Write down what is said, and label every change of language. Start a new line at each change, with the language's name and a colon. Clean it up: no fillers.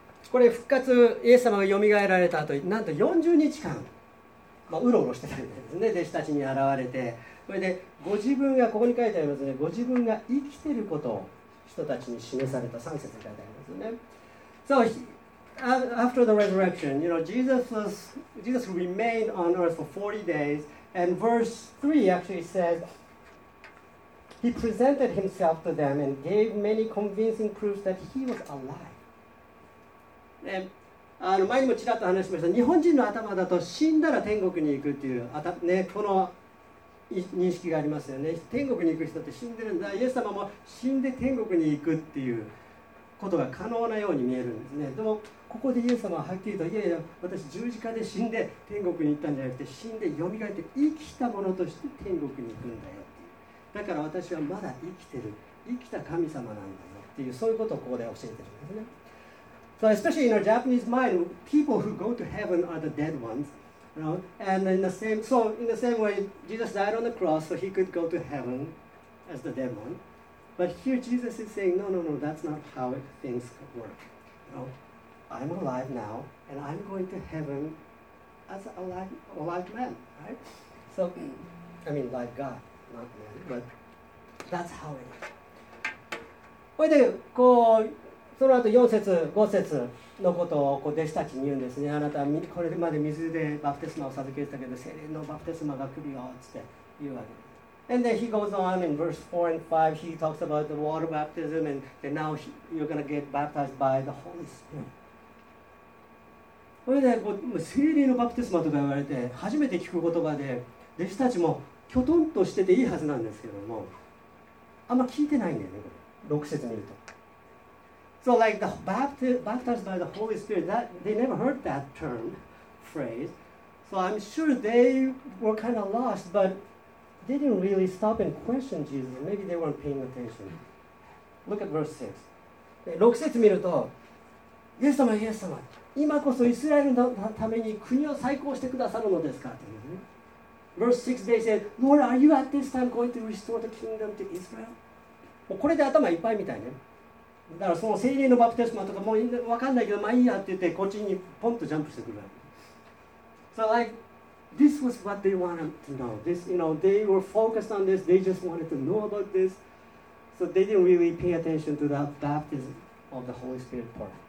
Japanese: これ復活、イエス様がよみがえられた後、なんと40日間、うろうろしてたんですね、弟子たちに現れて。それで、ご自分が、ここに書いてありますね、ご自分が生きていることを人たちに示された、3節に書いてありますね。
English: So,after the resurrection, you know, Jesus remained on earth for 40 days, and verse 3 actually said, he presented himself to them and gave many convincing proofs that he was alive.
Japanese: あの前にもちらっと話しました、日本人の頭だと死んだら天国に行くっていう、ね、この認識がありますよね。天国に行く人って死んでるんだ、イエス様も死んで天国に行くっていうことが可能なように見えるんですね。でもここでイエス様ははっきりと、いやいや、私十字架で死んで天国に行ったんじゃなくて、死んで蘇って生きたものとして天国に行くんだよっていう。だから私はまだ生きてる、生きた神様なんだよっていう、そういうことをここで教えてるんですね。
English: So especially in our Japanese mind, people who go to heaven are the dead ones, you know? And in the same way, Jesus died on the cross so he could go to heaven as the dead one. But here Jesus is saying, no, that's not how things work, you know? I'm alive now, and I'm going to heaven as an alive man, right? So, I mean, like God, not man, but that's how it is.
Japanese: それでこう、その後4節、5節のことをこう弟子たちに言うんですね。あなたはこれまで水でバプテスマを授けてたけど、聖霊のバプテスマが来るよって言うわけです。
English: And then he goes on in verse 4 and 5, he talks about the water baptism, and then now you're going to get baptized by the Holy Spirit.
Japanese: それでこう聖霊のバプテスマとか言われて初めて聞く言葉で、弟子たちもキョトンとしてていいはずなんですけども、あんま聞いてないんだよね。これ6節見ると、
English: So like the baptized by the Holy Spirit, that they never heard that term phrase, so I'm sure they were kind of lost, but they didn't really stop and question Jesus. Maybe they weren't paying attention. Look at verse 6.
Japanese: 6節見ると、イエス様、イエス様、今こそイスラエルのために国を再興してくださるのですかという、ね、
English: Verse 6, they said, Lord, are you at this time going to restore the kingdom to Israel?
Japanese: もうこれで頭いっぱいみたいね。だからその聖霊のバプテスマとかもう分かんないけど、まあいいやって言って、こっちにポンとジャンプしてくる。
English: So like, this was what they wanted to know. This, you know, they were focused on this. They just wanted to know about this. So they didn't really pay attention to the baptism of the Holy Spirit part.